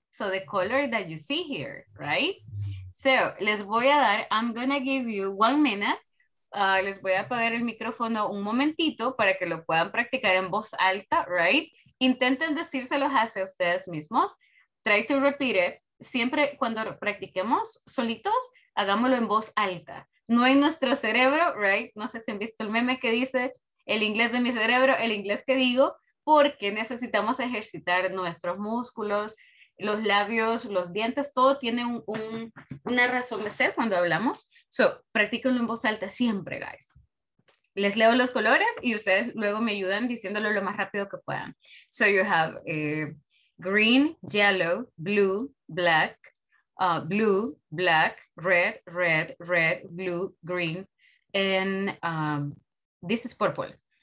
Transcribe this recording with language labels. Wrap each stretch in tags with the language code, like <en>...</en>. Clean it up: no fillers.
<en>So the color that you see here, right? So,</en> <es>les voy a dar,</es> <en>I'm gonna give you 1 minute.</en> <es>Les voy a apagar el micrófono un momentito para que lo puedan practicar en voz alta, right? Intenten decírselo a ustedes mismos.</es> <en>Try to repeat it.</en> <es>Siempre cuando practiquemos solitos, hagámoslo en voz alta. No en nuestro cerebro, right? No sé si han visto el meme que dice el inglés de mi cerebro, el inglés que digo. Porque necesitamos ejercitar nuestros músculos, los labios, los dientes, todo tiene una razón de ser cuando hablamos. So, practíquenlo en voz alta siempre, guys. Les leo los colores y ustedes luego me ayudan diciéndolo lo más rápido que puedan.</es> <en>So, you have green, yellow, blue, black, blue, black, red, blue, green, and this is purple.</en>